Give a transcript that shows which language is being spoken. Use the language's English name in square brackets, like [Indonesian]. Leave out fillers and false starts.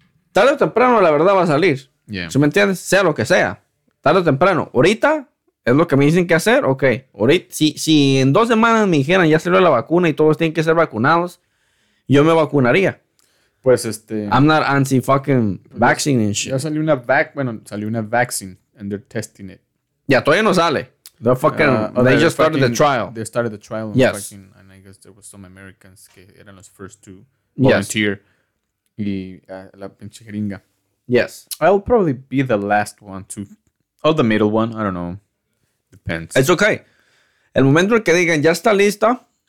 [Spanish] Tarde o temprano la verdad va a salir. [English] Yeah. [Spanish] ¿Sí me entiendes? Sea lo que sea. tarde o temprano. Ahorita es lo que me dicen que hacer. Ok. Ahorita, si en 2 semanas me dijeran ya salió la vacuna y todos tienen que ser vacunados, yo me vacunaría. Pues [English] I'm not anti fucking vaccine and shit. [Spanish] Ya salió una [English] vaccine and they're testing it. [Spanish] Ya, todavía no sale. [English] They're fucking, They started the trial. Yes. And I guess there was some Americans [Spanish] que eran los [English] first to volunteer. Yes. [Spanish] Y la pinche jeringa. [English] Yes. I'll probably be the last one to, or the middle one. I don't know. Depends. It's okay. [Spanish] El momento en que digan ya está lista.